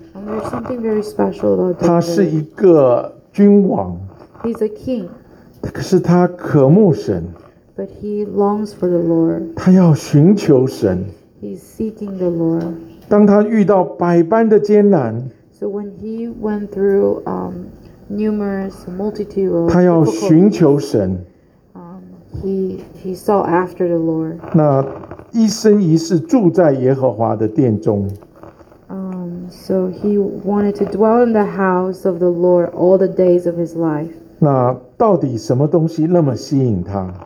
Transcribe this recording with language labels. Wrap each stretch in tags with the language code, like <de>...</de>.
<en>There's something very special about David.</en> <zh>他是一个君王。</zh> <en>He's a king.</en> <zh>可是他渴慕神。</zh> <en>But he longs for the Lord.</en> <zh>他要寻求神。</zh> <en>He's seeking the Lord.</en> <zh>当他遇到百般的艰难。</zh> <en>So when he went through numerous multitude of people,</en> <zh>他要寻求神。</zh> <en>He sought after the Lord.</en> <zh>那一生一世住在耶和华的殿中。</zh> <en>So he wanted to dwell in the house of the Lord all the days of his life.</en> <zh>那到底什么东西那么吸引他？</zh>